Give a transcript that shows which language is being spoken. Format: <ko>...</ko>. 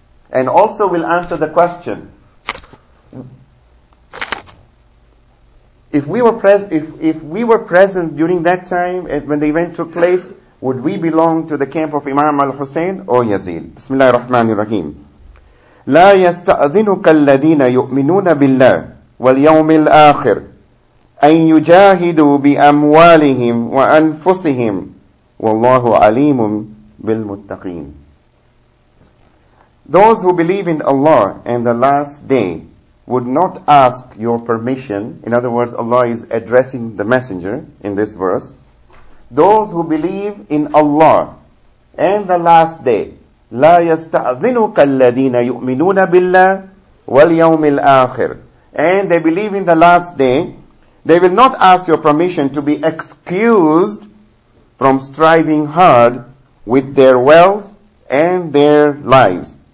<en>And also will answer the question, If we were present during that time when the event took place, would we belong to the camp of Imam al-Hussein or Yazid? Bismillah ar-Rahman ar-Rahim.</en> <ar>لا يستأذنك الذين يؤمنون بالله واليوم الآخر أن يجاهدوا بأموالهم وأنفسهم والله عليم بالمتقين.</ar> <en>Those who believe in Allah and the last day would not ask your permission. In other words, Allah is addressing the messenger in this verse. Those who believe in Allah and the last day,</en> <ar>لا يستأذنك الذين يؤمنون بالله واليوم الآخر,</ar> <en>and they believe in the last day, they will not ask your permission to be excused from striving hard with their wealth and their lives.</en>